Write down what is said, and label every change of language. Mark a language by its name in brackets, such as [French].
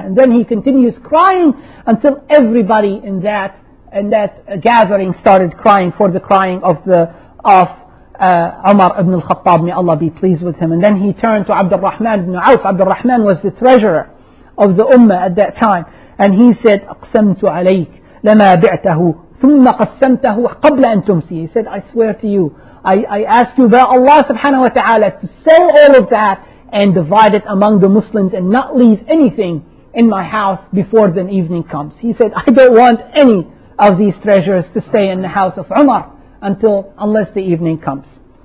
[English] And then he continues crying until everybody in that gathering started crying for the crying of Umar ibn al-Khattab. May Allah be pleased with him. And then he turned to Abdul Rahman ibn Auf. Abdul Rahman was the treasurer of the Ummah at that time. And he said, [Arabic] أَقْسَمْتُ عَلَيْكَ لَمَا بِعْتَهُ ثُمَّ قَسَّمْتَهُ قَبْلَ أَن تُمْسِي. [English] He said, I swear to you, I ask you by Allah subhanahu wa ta'ala to sell all of that and divide it among the Muslims and not leave anything in my house before the evening comes. He said, I don't want any of these treasures to stay in the house of Umar unless the evening comes.